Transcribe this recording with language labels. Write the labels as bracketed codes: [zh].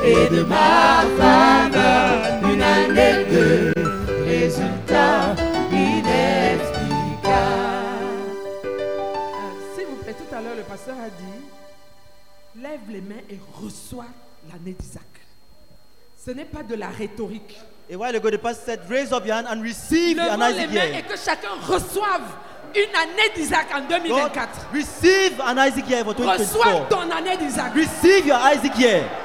[fr] De ma faveur, une année de résultats inexplicables. S'il vous plaît, tout à l'heure, le pasteur a dit, lève les mains et reçois l'année d'Isaac. Ce n'est pas de la rhétorique. [en] Et while ago, the pastor said, raise up your hand and receive an Isaac. [fr] Lève les mains et que chacun reçoive une année d'Isaac en 2024. [en] God, receive an Isaac year for 2024. [fr] Reçois ton année d'Isaac. [en] Receive your Isaac year.